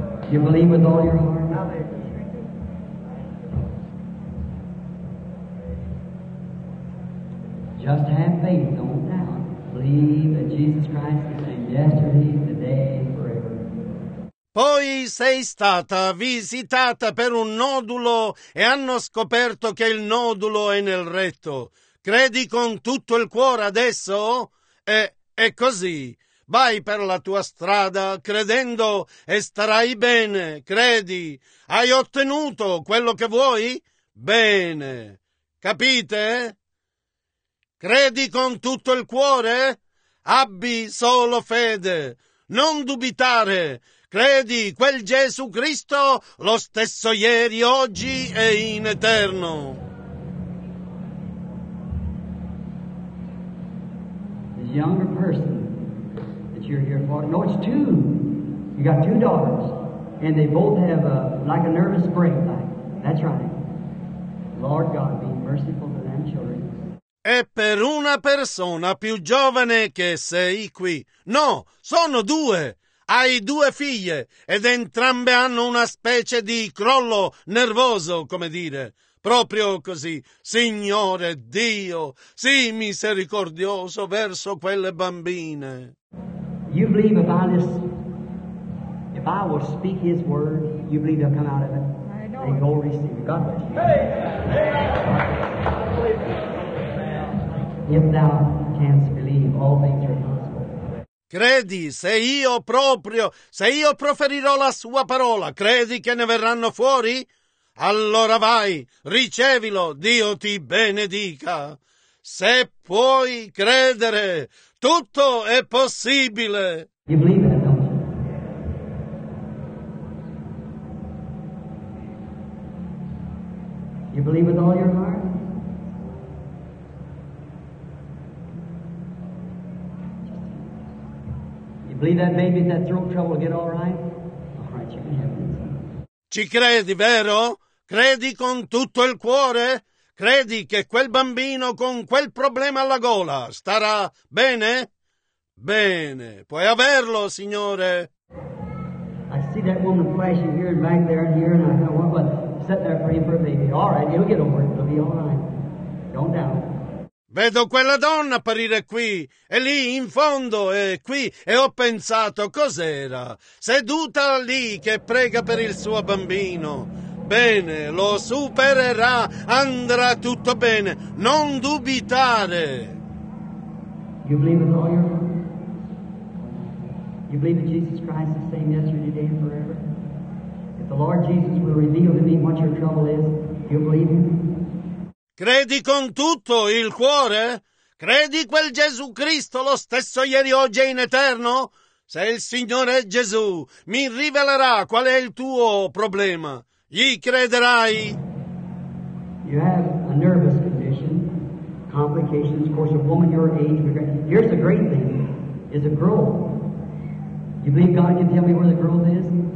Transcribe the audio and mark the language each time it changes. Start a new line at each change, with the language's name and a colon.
English: You believe with all your heart? Just have faith, don't doubt. Believe that Jesus Christ is the same yesterday, today, and forever.
Italian: Poi sei stata visitata per un nodulo e hanno scoperto che il nodulo è nel retto. Credi con tutto il cuore adesso? È così. Vai per la tua strada credendo e starai bene, credi. Hai ottenuto quello che vuoi? Bene. Capite? Credi con tutto il cuore? Abbi solo fede. Non dubitare. Credi quel Gesù Cristo lo stesso ieri, oggi e in eterno.
English: The younger person. You're here for. No, it's two. You got two daughters, and they both have a nervous breakdown. That's right. Lord God, be merciful to them children.
Italian: È per una persona più giovane che sei qui. No, sono due. Hai due figlie, ed entrambe hanno una specie di crollo nervoso, come dire. Proprio così, Signore Dio, sii misericordioso verso quelle bambine.
English: You believe if I will speak His word, you believe they'll come out of it? I know. And go receive it. God bless you. Hey. If thou canst believe, all things are possible.
Italian: Credi, se io proferirò la sua parola, credi che ne verranno fuori? Allora vai, ricevilo, Dio ti benedica. Se puoi credere, tutto è possibile.
English: You believe in it, don't you? You believe with all your heart? You believe that baby, that throat trouble will get all right? All right, you can have it.
Italian: Ci credi, vero? Credi con tutto il cuore? Credi che quel bambino con quel problema alla gola starà bene? Bene, puoi averlo, Signore.
English: I see that woman flashing here and back there and here, and I thought, what about set there praying for a baby? All right, it'll get over, it'll be all right. Don't doubt it.
Italian: Vedo quella donna apparire qui, e lì in fondo, e qui, e ho pensato, cos'era? Seduta lì che prega per il suo bambino. bene, lo supererà, andrà tutto bene, non dubitare.
English: You believe with all your heart? You believe that Jesus Christ is the same yesterday, today, and forever? If the Lord Jesus will reveal to me what your trouble is, you believe him?
Italian: Credi con tutto il cuore? Credi quel Gesù Cristo lo stesso ieri, oggi e in eterno? Se il Signore Gesù mi rivelerà qual è il tuo problema, gli crederai?
English: You have a nervous condition, complications. Of course, a woman your age. Here's the great thing: is a growth. You believe God can tell me where the growth is?